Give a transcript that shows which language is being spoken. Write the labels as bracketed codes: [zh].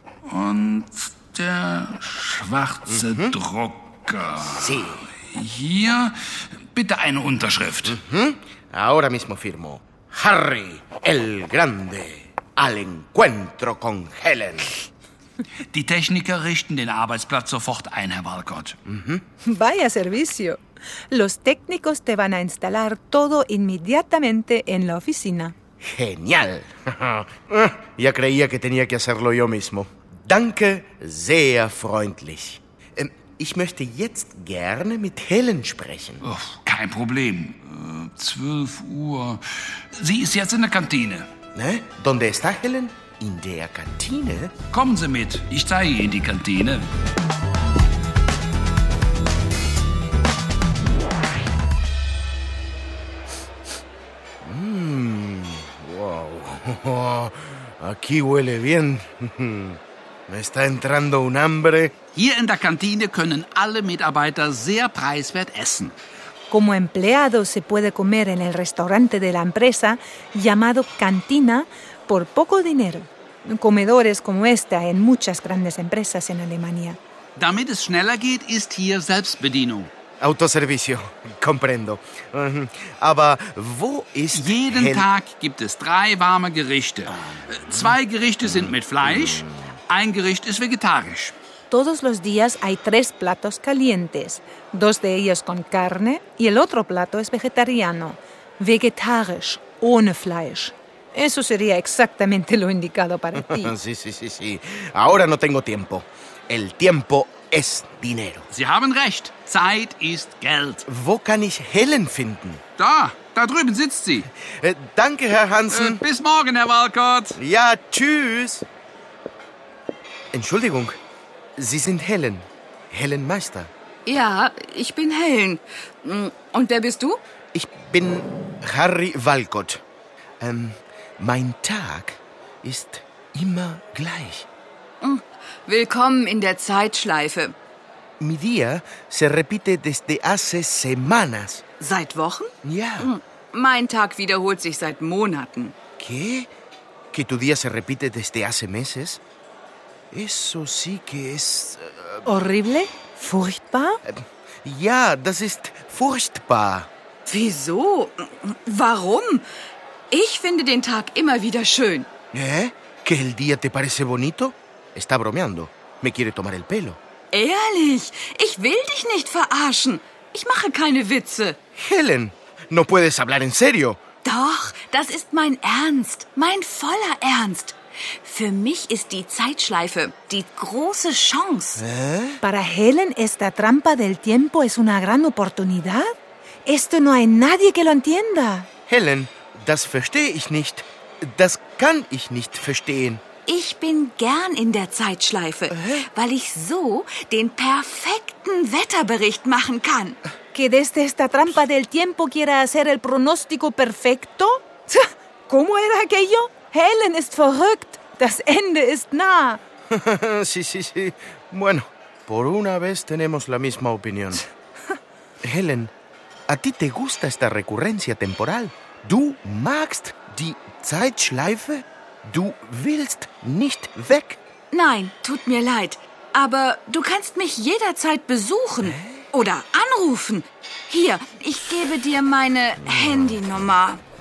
[de] Und der schwarze Drucker. [es] Sí. [de] Hier, bitte eine Unterschrift. [es] Ahora mismo firmo. Harry, el Grande, al encuentro con Helen. [de] Die Techniker richten den Arbeitsplatz sofort ein, Herr Walcott. [es] Vaya servicio. Los técnicos te van a instalar todo inmediatamente en la oficina. Genial. Ya creía que tenía que hacerlo yo mismo. [de] Danke, sehr freundlich. Ich möchte jetzt gerne mit Helen sprechen. Oh, kein Problem. 12 Uhr. Sie ist jetzt in der Kantine. Ne? [es] ¿Dónde está Helen? [de] In der Kantine? Kommen Sie mit, ich zeige Ihnen die Kantine. [es] Wow. Aquí huele bien. Me está entrando un hambre. [de] Hier in der Kantine können alle Mitarbeiter sehr preiswert essen. [es] Como empleado se puede comer en el restaurante de la empresa llamado Cantina por poco dinero. Comedores como este en muchas grandes empresas en Alemania. [de] Damit es schneller geht, ist hier Selbstbedienung. [es] Autoservicio, comprendo. [de] Aber wo ist... Jeden Tag gibt es 3 warme Gerichte. 2 Gerichte sind mit Fleisch, 1 Gericht ist vegetarisch. [es] Todos los días hay 3 platos calientes. 2 de ellos con carne y el otro plato es vegetariano. [de] Vegetarisch, ohne Fleisch. [es] Eso sería exactamente lo indicado para ti. Sí, sí, sí, sí. Ahora no tengo tiempo. El tiempo es dinero. [de] Sie haben recht. Zeit ist Geld. Wo kann ich Helen finden? Da, da drüben sitzt sie. Danke, Herr Hansen. Bis morgen, Herr Walcott. Ja, tschüss. Entschuldigung, Sie sind Helen. Helen Meister. Ja, ich bin Helen. Und wer bist du? Ich bin Harry Walcott. Mein Tag ist immer gleich. Willkommen in der Zeitschleife. [es] Mi día se repite desde hace semanas. [de] Seit Wochen? Ja. Mein Tag wiederholt sich seit Monaten. [es] ¿Qué? ¿Que tu día se repite desde hace meses? Eso sí que es... Horrible? Furchtbar? [de] Ja, das ist furchtbar. Wieso? Warum? Ich finde den Tag immer wieder schön. [es] ¿Que el día te parece bonito? Está bromeando. Me quiere tomar el pelo. [de] Ehrlich, ich will dich nicht verarschen. Ich mache keine Witze. [es] Helen, no puedes hablar en serio. [de] Doch, das ist mein Ernst, mein voller Ernst. Für mich ist die Zeitschleife die große Chance. [es] Para Helen esta trampa del tiempo es una gran oportunidad. Esto no hay nadie que lo entienda. [de] Helen, das verstehe ich nicht. Das kann ich nicht verstehen. Ich bin gern in der Zeitschleife, weil ich so den perfekten Wetterbericht machen kann. ¿Que desde esta trampa del tiempo quiera hacer el pronóstico perfecto? [es] ¿Cómo era aquello? [de] Helen ist verrückt. Das Ende ist nah. [es] Sí, sí, sí. Bueno, por una vez tenemos la misma opinión. Helen, a ti te gusta esta recurrencia temporal. [de] Du magst die Zeitschleife? Du willst nicht weg. Nein, tut mir leid. Aber du kannst mich jederzeit besuchen oder anrufen. Hier, ich gebe dir meine Handynummer.